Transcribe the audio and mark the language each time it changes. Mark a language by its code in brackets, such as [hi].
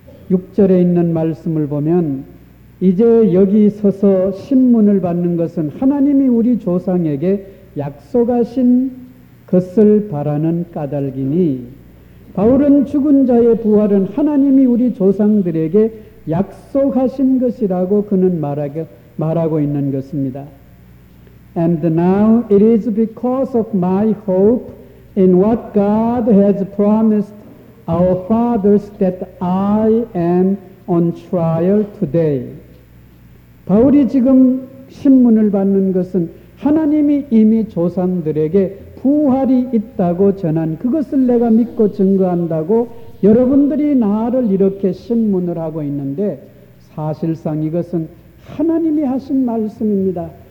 [ko] 6절에 있는 말씀을 보면 이제 여기 서서 신문을 받는 것은 하나님이 우리 조상에게 약속하신 것을 바라는 까닭이니 바울은 죽은 자의 부활은 하나님이 우리 조상들에게 약속하신 것이라고 그는 말하고 있는 것입니다. [en] And now it is because of my hope in what God has promised our fathers that I am on trial today. [ko] 바울이 지금 신문을 받는 것은 하나님이 이미 조상들에게 부활이 있다고 전한 그것을 내가 믿고 증거한다고 여러분들이 나를 이렇게 신문을 하고 있는데 사실상 이것은 하나님이 하신 말씀입니다.